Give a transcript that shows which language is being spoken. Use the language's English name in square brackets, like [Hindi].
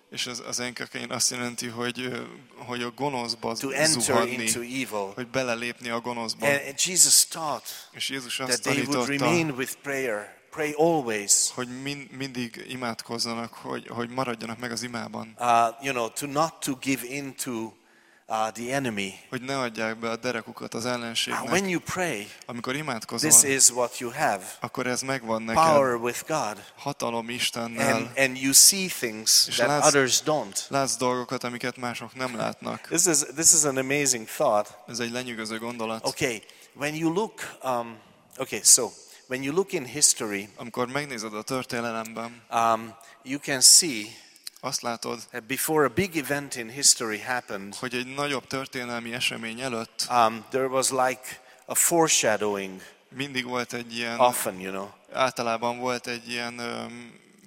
[Hungarian] És az enkakein azt jelenti, hogy a gonoszba [English] to [Hungarian] zuhadni, [English] enter into evil. [Hungarian] Hogy belelépni a gonoszba. [English] And Jesus taught [Hungarian] és Jézus [English] that [Hungarian] tanította, [English] they would remain with prayer, pray always. [Hungarian] Hogy mindig imádkozzanak, hogy maradjanak meg az imában. [English] To not to give in to the enemy. [Hungarian] Hogy ne adják be a derekukat az ellenségnek. [English] When you pray, [Hungarian] amikor imádkozol, [English] this is what you have. [Hungarian] Akkor ez megvan neked. [English] Power with God. [Hungarian] Hatalom Istennel. [English] And you see things that others don't. [Hungarian] Látsz dolgokat, amiket mások nem látnak. [English] This is an amazing thought. [Hungarian] Ez egy lenyűgöző gondolat. [English] Okay, when you look, when you look in history, [Hungarian] amikor megnézed a történelemben, [English] you can see. [Hungarian] Azt látod, [English] before a big event in history happened, [Hungarian] hogy egy nagyobb történelmi esemény előtt, [English] there was like a foreshadowing. [Hungarian] Mindig volt egy ilyen. [English] Often, [Hungarian] Általában volt egy ilyen, ilyen.